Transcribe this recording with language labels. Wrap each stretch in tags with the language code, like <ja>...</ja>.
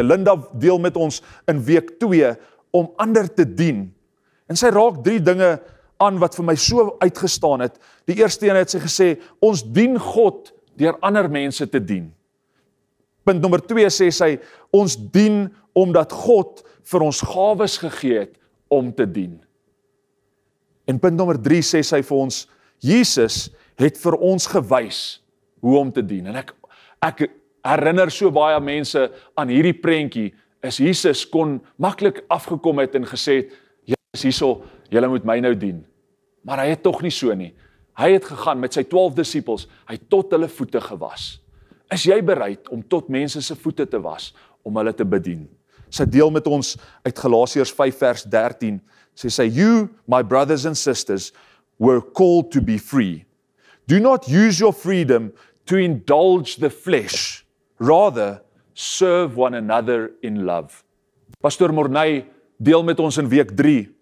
<af>Linda deel met ons in week 2 om ander te dien. En sy raak 3 dinge aan wat vir my so uitgestaan het. Die eerste een het sy gesê, ons dien God deur ander mense te dien. Punt nummer 2 sê sy, ons dien omdat God vir ons gawes gegee het om te dien. En punt nummer 3 sê sy vir ons, Jesus het vir ons gewys hoe om te dien. En ek herinner so baie mense aan hierdie prentjie, is Jesus kon maklik afgekom het en gesê, Jesus hierso, julle moet my nou dien. Maar hy het tog nie so nie. Hy het gegaan met sy 12 disippels, hy het tot hulle voete gewas. Is jy bereid om tot mense se voete te was, om hulle te bedien? Sy deel met ons uit Galasiërs 5 vers 13, sê sy,</af> <en>you, my brothers and sisters, were called to be free. Do not use your freedom to indulge the flesh. Rather, serve one another in love.</en> <af>Pastor Mornay deel met ons in week 3.</af>